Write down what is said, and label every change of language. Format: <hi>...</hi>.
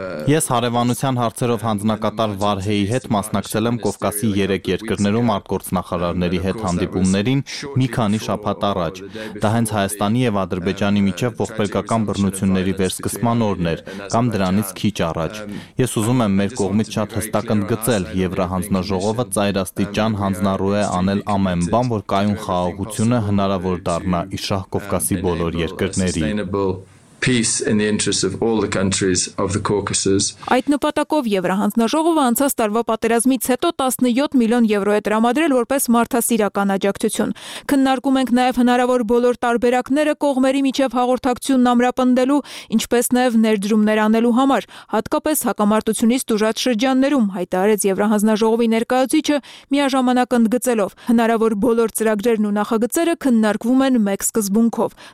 <hy>Ես հարևանության հարցերով հանձնակատար Վարհեի հետ մասնակցել եմ Կովկասի 3 երկրներում արտգործնախարարների հետ հանդիպումներին մի քանի շաբաթ առաջ։ Դա հենց Հայաստանի եւ Ադրբեջանի միջև ողբերգական բռնությունների վերսկսման օրն էր, կամ դրանից քիչ առաջ։ Ես ուզում եմ մեր կողմից շատ հստակ ընդգծել, Եվրահանձնաժողովը ծայրաստիճան հանձնարարու է անել ամեն բան, որ կայուն խաղաղությունը հնարավոր դառնա իշխան Կովկասի բոլոր երկրների։</hy> <en>peace in the interests of all the countries of the Caucasus.</en> <hy>Այդ նպատակով Եվրահանձնաժողովը անցած տարվա պատերազմից հետո 17 միլիոն եվրո է տրամադրել որպես մարդասիրական աջակցություն։ Քննարկում ենք նաև հնարավոր բոլոր տարբերակները կողմերի միջև հաղորդակցությունն ամրապնդելու, ինչպես նաև ներդրումներ անելու համար, հատկապես հակամարտությունից տուժած շրջաններում, հայտարարեց Եվրահանձնաժողովի ներկայացուցիչը միաժամանակ ընդգծելով։ Հնարավոր բոլոր ծրագրերն ու նախագծերը քննարկվում են մեկ սկզբունքով.</hy>